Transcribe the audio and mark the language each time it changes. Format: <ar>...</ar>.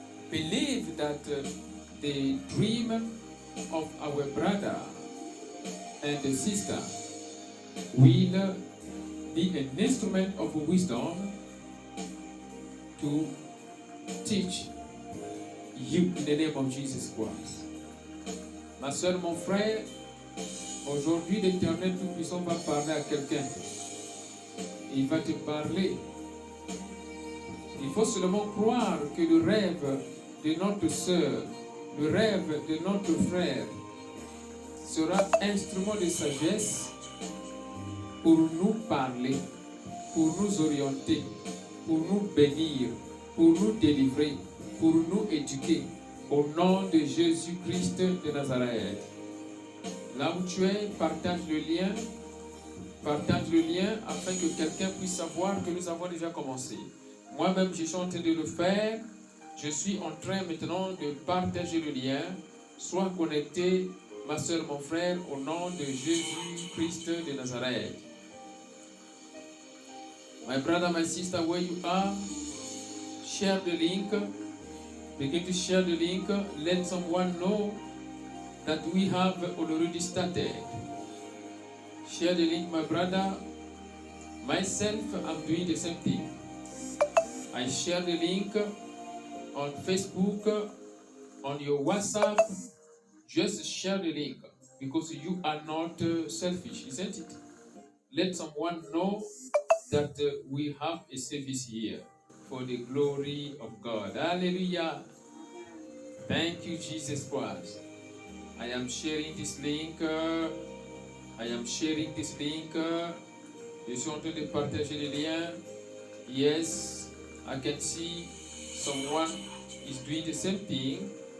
<en>Believe that the dream of our brother and the sister will be an instrument of wisdom to teach you in the name of Jesus Christ.</en> <fr>Ma soeur, mon frère, aujourd'hui l'Éternel Tout-Puissant va parler à quelqu'un. Il va te parler. Il faut seulement croire que le rêve de notre soeur, le rêve de notre frère sera instrument de sagesse pour nous parler, pour nous orienter, pour nous bénir, pour nous délivrer, pour nous éduquer, au nom de Jésus-Christ de Nazareth. Là où tu es, partage le lien afin que quelqu'un puisse savoir que nous avons déjà commencé. Moi-même, je suis en train de le faire, je suis en train maintenant de partager le lien. Sois connecté, ma soeur, mon frère, au nom de Jésus-Christ de Nazareth.</fr> <en>My brother, my sister, where you are, share the link. Begin to share the link. Let someone know that we have already started. Share the link, my brother. Myself, I'm doing the same thing. I share the link on Facebook, on your WhatsApp. Just share the link because you are not selfish, isn't it? Let someone know that we have a service here for the glory of God. Hallelujah. Thank you, Jesus Christ. I am sharing this link.</en> <fr>Je suis en train de partager les liens.</fr> <en>Yes, I can see someone is doing the same thing.</en>